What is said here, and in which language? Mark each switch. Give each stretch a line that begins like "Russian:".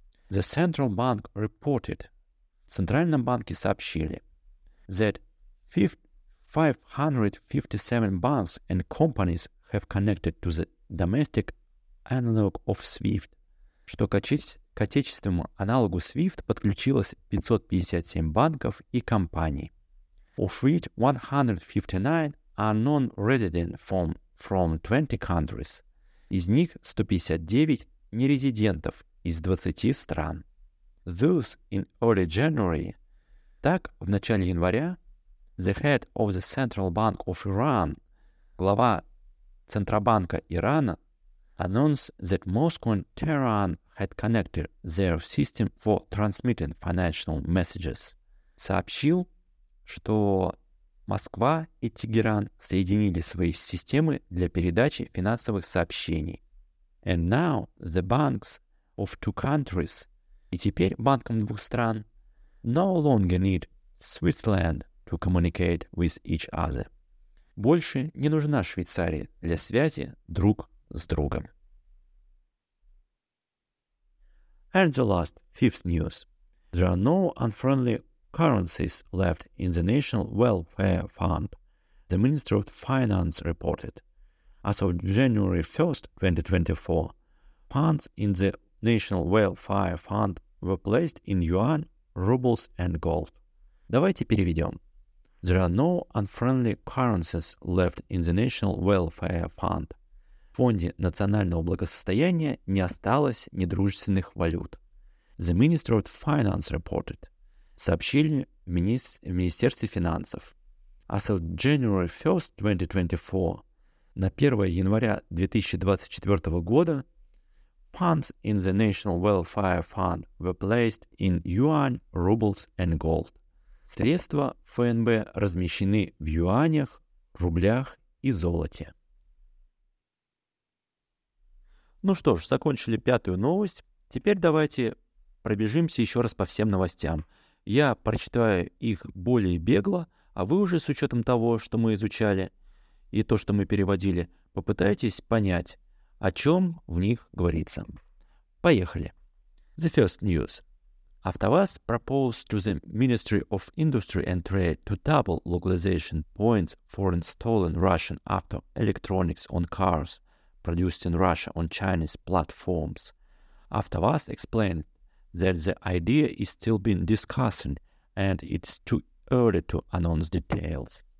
English: The Central Bank reported,
Russian: Центральные банки сообщили,
English: that 557 banks and companies have connected to the domestic analog of SWIFT,
Russian: что к отечественному аналогу SWIFT подключилось 557 банков и компаний,
English: of which 159 are non-resident from 20 countries.
Russian: Из них 159 нерезидентов из 20 стран.
English: Thus, in early January,
Russian: так, в начале января,
English: the head of the Central Bank of Iran,
Russian: глава Центробанка Ирана,
English: announced that Moscow and Tehran had connected their system for transmitting financial messages.
Russian: Сообщил, что Москва и Тегеран соединили свои системы для передачи финансовых сообщений.
English: And now the banks of two countries,
Russian: и теперь банкам двух стран,
English: no longer need Switzerland to communicate with each other.
Russian: Больше не нужна Швейцария для связи друг с другом.
English: And the last, fifth news. There are no unfriendly currencies left in the National Welfare Fund, the Minister of Finance reported. As of January 1st, 2024, funds in the National Welfare Fund were placed in yuan, rubles and gold.
Russian: Давайте переведем.
English: There are no unfriendly currencies left in the National Welfare Fund.
Russian: В фонде национального благосостояния не осталось недружественных валют.
English: The Minister of Finance reported.
Russian: Сообщили в Министерстве финансов.
English: As of January 1st, 2024,
Russian: на 1 января 2024 года,
English: funds in the National Welfare Fund were placed in yuan, rubles and gold.
Russian: Средства ФНБ размещены в юанях, рублях и золоте. Ну что ж, закончили пятую новость. Теперь давайте пробежимся еще раз по всем новостям. Я прочитаю их более бегло, а вы уже с учетом того, что мы изучали и то, что мы переводили, попытайтесь понять, о чем в них говорится. Поехали.
English: The first news. AvtoVAZ proposed to the Ministry of Industry and Trade to double localization points for installing Russian auto electronics on cars produced in Russia on Chinese platforms. AvtoVAZ explained that the idea is still being discussed and it's too early to announce details.